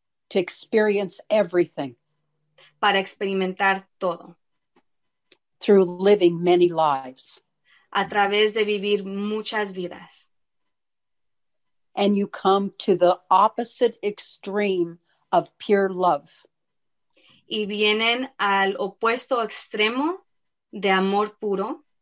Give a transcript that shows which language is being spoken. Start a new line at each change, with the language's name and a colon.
English: To experience everything.
Spanish: Para experimentar todo.
English: Through living many lives.
Spanish: A través de vivir muchas vidas.
English: And you come to the opposite extreme of pure love.
Spanish: Y vienen al opuesto extremo de amor puro.